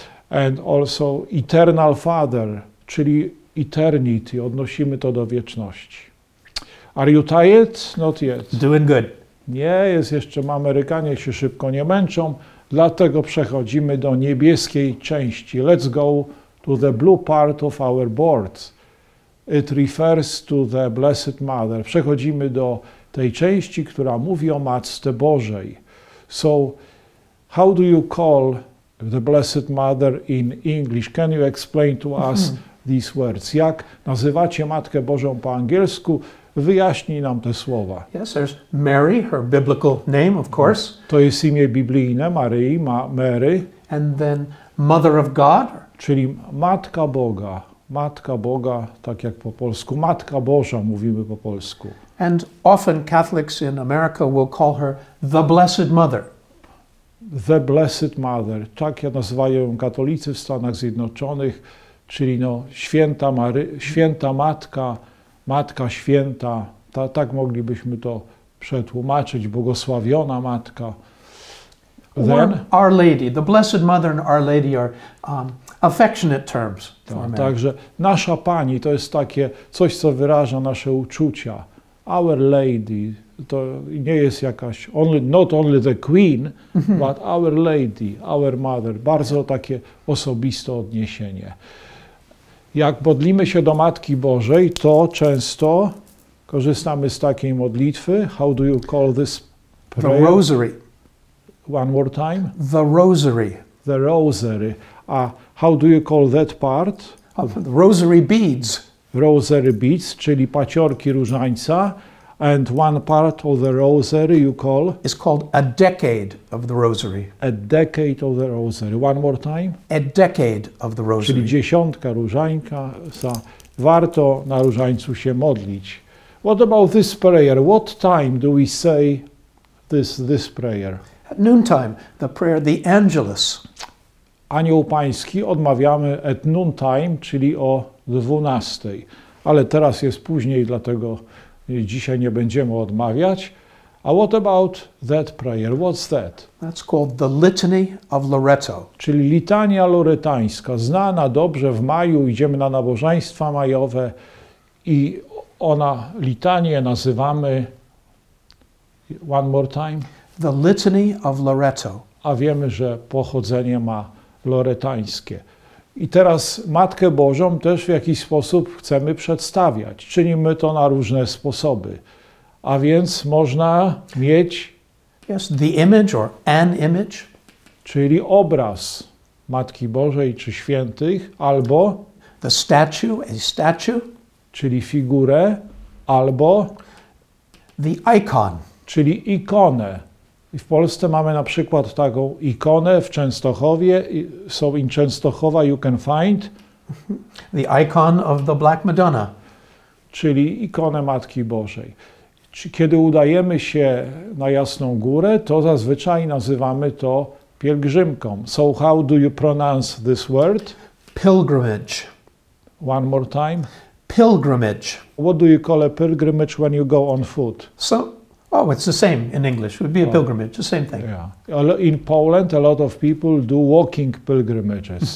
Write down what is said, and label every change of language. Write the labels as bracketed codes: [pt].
[en] And also eternal Father, [pl] czyli eternity, odnosimy to do wieczności. [en] Are you tired? Not yet. Doing good. [pl] Nie, jest jeszcze, Amerykanie się szybko nie męczą. Dlatego przechodzimy do niebieskiej części. [en] Let's go to the blue part of our board. It refers to the Blessed Mother. [pl] Przechodzimy do tej części, która mówi o Matce Bożej. [en] So, how do you call the Blessed Mother in English? Can you explain to us these words? [pl] Jak nazywacie Matkę Bożą po angielsku? Wyjaśnij nam te słowa. [en] Yes, there's Mary, her biblical name, of course. [pl] To jest imię biblijne, Maryi, Mary. [en] And then Mother of God. [pl] Czyli Matka Boga. Matka Boga, tak jak po polsku. Matka Boża mówimy po polsku. [en] And often Catholics in America will call her the Blessed Mother. The Blessed Mother. [pl] Tak jak nazywają ją katolicy w Stanach Zjednoczonych, czyli no, Święta Matka. Matka Święta, tak moglibyśmy to przetłumaczyć, błogosławiona Matka. [en] Then, Our Lady, the Blessed Mother and Our Lady are affectionate terms. [pl] Także nasza Pani to jest takie coś, co wyraża nasze uczucia. [en] Our Lady [pl] to nie jest jakaś, [en] not only the Queen, but Our Lady, Our Mother. [pl] Bardzo takie osobiste odniesienie. Jak modlimy się do Matki Bożej, to często korzystamy z takiej modlitwy. [en] How do you call this prayer? The rosary. One more time. The rosary. The rosary. A how do you call that part? The rosary beads. [pl] Rosary beads, czyli paciorki różańca. [en] And one part of the rosary you call? It's called a decade of the rosary. A decade of the rosary. One more time. A decade of the rosary. [pl] Czyli dziesiątka różańca. Warto na różańcu się modlić. [en] What about this prayer? What time do we say this prayer? At noontime, the prayer, the Angelus. [pl] Anioł Pański odmawiamy [en] at noontime, [pl] czyli o 12. Ale teraz jest później, dlatego dzisiaj nie będziemy odmawiać. [en] A what about that prayer? What's that? That's called the Litany of Loreto. [pl] Czyli litania loretańska. Znana dobrze w maju, idziemy na nabożeństwa majowe i ona, litanię nazywamy, [en] one more time. The Litany of Loreto. [pl] A wiemy, że pochodzenie ma loretańskie. I teraz Matkę Bożą też w jakiś sposób chcemy przedstawiać. Czynimy to na różne sposoby. A więc można mieć... [en] Yes, the image or an image. [pl] Czyli obraz Matki Bożej czy świętych, albo... [en] The statue, a statue. [pl] Czyli figurę, albo... [en] The icon. [pl] Czyli ikonę. I w Polsce mamy na przykład taką ikonę w Częstochowie. [en] So in Częstochowa you can find... The icon of the Black Madonna. [pl] Czyli ikonę Matki Bożej. Kiedy udajemy się na Jasną Górę, to zazwyczaj nazywamy to pielgrzymką. [en] So how do you pronounce this word? Pilgrimage. One more time. Pilgrimage. What do you call a pilgrimage when you go on foot? So, oh, it's the same in English. It would be a pilgrimage, the same thing. Yeah. In Poland a lot of people do walking pilgrimages.